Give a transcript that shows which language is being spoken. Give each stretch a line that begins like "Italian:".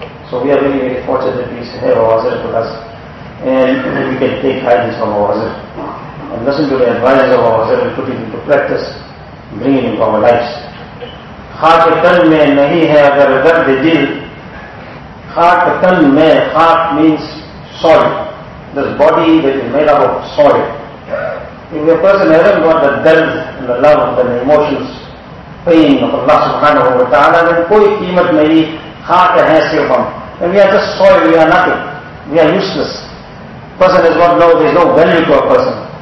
English: So we are really, really fortunate that we have our Hazrat with us, and we can take guidance from our Hazrat and listen to the advices of our Hazrat and put it into practice, bring it into our lives.
Urdu: خاک تن میں نہیں ہے اگر درد دل. خاک تن میں, خاک
English: means soil. This body that is made up of soil. If a person hasn't got the درد and the love and the emotions, pain of Allah subhanahu wa ta'ala, then
Urdu: koi qeemat nahi, khaak hai sirf hum.
English: And we are just soil, we are nothing, we are useless. Person has got no, there is no value to a person.